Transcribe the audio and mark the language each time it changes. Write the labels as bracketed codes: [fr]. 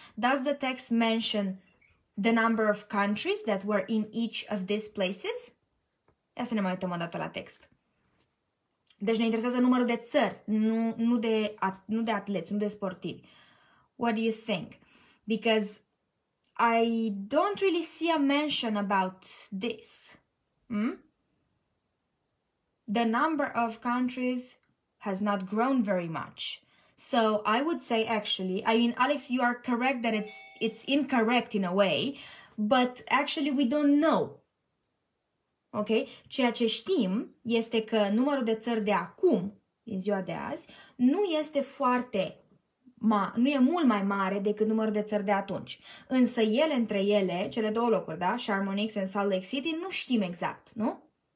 [en] Does the text mention the number of countries that were in each of these places? [ro] Ia să ne mai uităm o dată la text. Deci ne interesează numărul de țări, nu de atleți, nu de sportivi. [en] What do you think? because I don't really see a mention about this. The number of countries has not grown very much. So I would say, actually, I mean, Alex, you are correct that it's incorrect in a way, but actually we don't know. Ok? [ro] Ceea ce știm este că numărul de țări de acum, din ziua de azi, nu este foarte nu e mult mai mare decât numărul de țări de atunci. Însă ele între ele, cele două locuri, da? Chamonix and Salt Lake City, nu știm exact, nu?